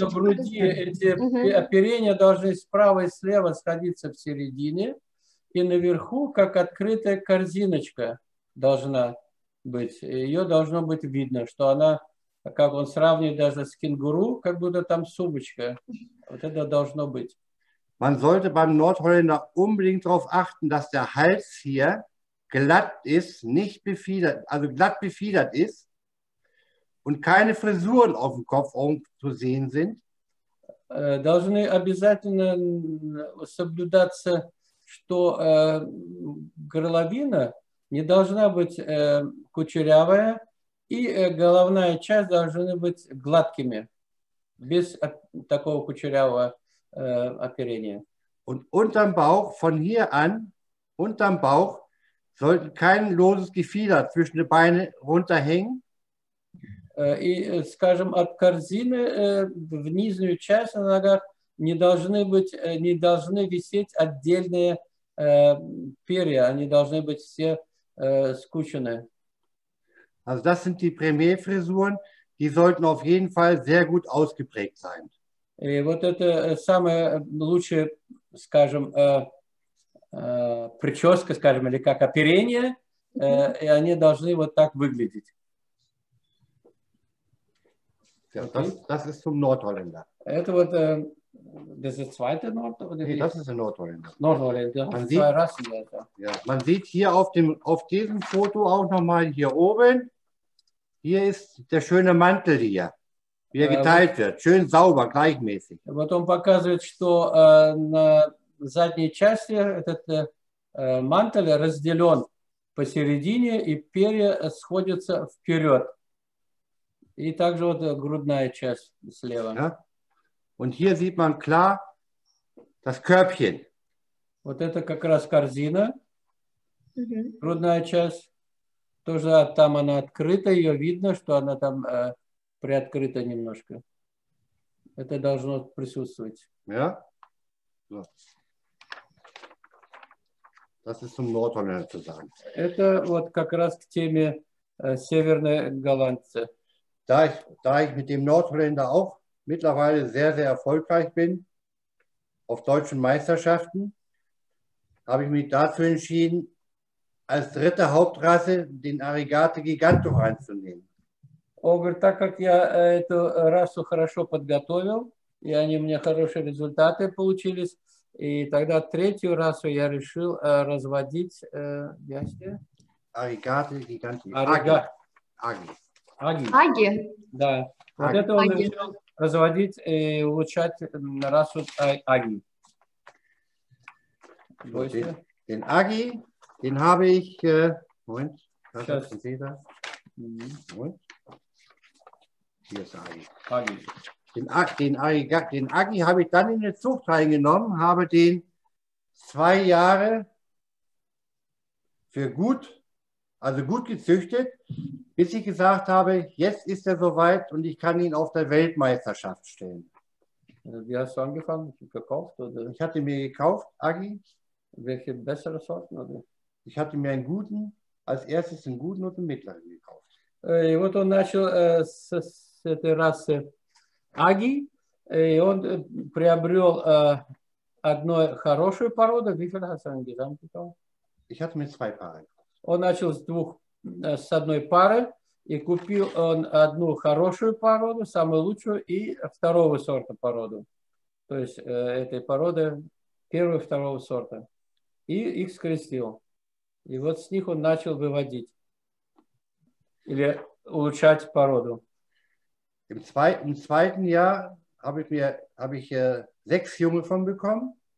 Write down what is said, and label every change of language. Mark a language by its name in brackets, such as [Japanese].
[Russian] На груди эти оперения должны справа и слева сходиться в середине, и наверху, как открытая корзиночка, должна быть. Ее должно быть видно, что она, как он сравнивает даже с кенгуру, как будто там сумочка. Вот это должно быть. [German] Man sollte beim Nordholländer unbedingt darauf achten, dass der Hals hier glatt ist, nicht befiedert, also glatt befiedert ist und keine Frisuren auf dem Kopf zu sehen sind. [Russian] Должны обязательно соблюдаться, что горловина не должна быть кучерявая и головная часть должны быть гладкими, без такого кучерявого оперения. [German] Und unterm Bauch, von hier an, unterm Bauch, sollten kein loses Gefieder zwischen den Beinen runterhängen. [Russian] И, скажем, от корзины в нижнюю часть на ногах не должны висеть отдельные перья, они должны быть все скучены. [German] Also das sind die Premierfrisuren, die sollten auf jeden Fall sehr gut ausgeprägt sein. [Russian] И вот это самое лучшее, скажем, прическа, скажем, или как оперение, и они должны вот так выглядеть. [German] Das ist zum Nordholländer. [Russian] Это вот, [German] das ist zweite Nordholländer? Nee, das ist ein Nordholländer. Nordholländer, zwei Rassen. Ja, man sieht hier auf diesem Foto auch nochmal hier oben, hier ist der schöne Mantel hier. Wie er geteilt wird, schön sauber, gleichmäßig. [Russian] Потом показывает, что на задней части этот мантель разделен посередине и перья сходятся вперед. И также вот грудная часть слева. [German] Ja. Und hier sieht man klar das Körbchen. [Russian] Вот это как раз корзина, грудная часть. Тоже там она открыта, ее видно, что она там приоткрыта немножко. Это должно присутствовать. [German] Ja. So. Das ist zum Nordhorn, zu sagen. [Russian] Это вот как раз к теме северной голландцы. [German] Da ich mit dem Nordholländer auch mittlerweile sehr, sehr erfolgreich bin, auf deutschen Meisterschaften, habe ich mich dazu entschieden, als dritte Hauptrasse den Arigato Gigantor einzunehmen. Aber [Russian] так как я эту расу хорошо подготовил, и они у меня хорошие результаты получились, и тогда третью расу я решил разводить, я себе... [German] Arigato Gigantor. [Russian] Аги. Аги. Аги. Да. Аги. Вот это он решил разводить и улучшать расу Аги. [German] Den Agi, den habe ich. Moment, das ist das. Moment. Hier ist Agi. Agi. Den Agi habe ich dann in die Zucht reingenommen, habe den 2 Jahre für gut, also gut gezüchtet, bis ich gesagt habe, jetzt ist er soweit und ich kann ihn auf der Weltmeisterschaft stellen. Wie hast du angefangen? Gekauft? Oder? Ich hatte mir gekauft, Agi. Welche bessere Sorten? Oder? Ich hatte mir einen guten, als erstes einen guten und einen mittleren gekauft. [Russian] И вот он начал с этой расы Аги, и он приобрел одну хорошую породу. [German] Wie viele hast du insgesamt gekauft? Ich hatte mir 2 Paare. [Russian] Он начал с одной пары и купил он одну хорошую породу, самую лучшую, и второго сорта породу. То есть этой породы первого и второго сорта. И их скрестил. И вот с них он начал выводить. Или улучшать породу. [German] Im zweiten Jahr habe ich 6 Junge von bekommen.